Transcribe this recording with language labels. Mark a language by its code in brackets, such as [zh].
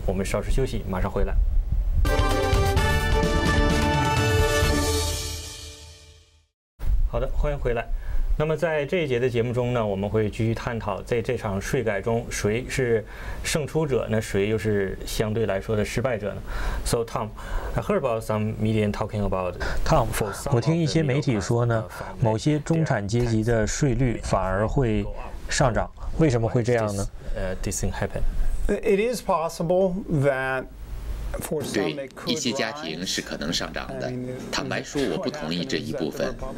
[zh] 我们稍事休息，马上回来。好的，欢迎回来。那么在这一节的节目中呢，我们会继续探讨在这场税改中谁是胜出者，那谁又是相对来说的失败者呢？ [en] So Tom, I heard about some media talking about [zh] Tom, 我听一些媒体说呢，某些中产阶级的税率反而会上涨，为什么会这样呢？ [en] This thing happen. It is possible that [zh] 对一些家庭是可能上涨的。坦白说，我不同意这一部分。